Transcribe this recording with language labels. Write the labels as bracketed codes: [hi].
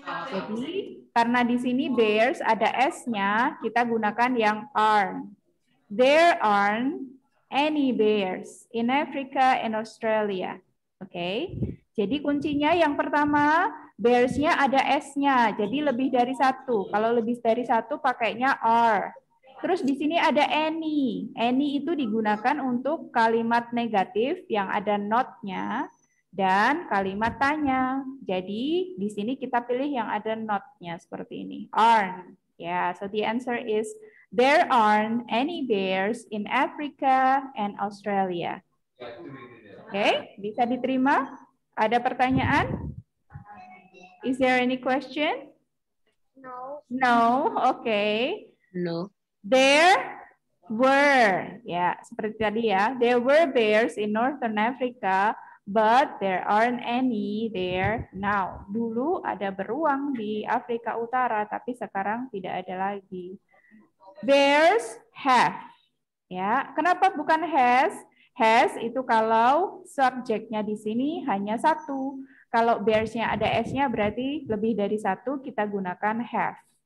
[id] Jadi karena di sini bears ada s-nya, kita gunakan yang aren't. [en] There aren't any bears in Africa and Australia. [id] Oke. Jadi kuncinya yang pertama, bears-nya ada s-nya. Jadi lebih dari satu. Kalau lebih dari satu pakainya are. Terus di sini ada any. Any itu digunakan untuk kalimat negatif yang ada not-nya dan kalimat tanya. Jadi di sini kita pilih yang ada not-nya seperti ini. [en] Aren't. Yeah, so the answer is there aren't any bears in Africa and Australia. [id] Oke, okay, bisa diterima? Ada pertanyaan? [en] Is there any question? No. No, oke. Okay. No. There were, [id] ya, yeah, seperti tadi ya. [en] There were bears in Northern Africa, but there aren't any there now. [id] Dulu ada beruang di Afrika Utara, tapi sekarang tidak ada lagi. [en] Bears have. [id] Ya, kenapa bukan has? Has itu kalau subjeknya di sini hanya satu. Kalau bears-nya ada s-nya berarti lebih dari satu, kita gunakan have.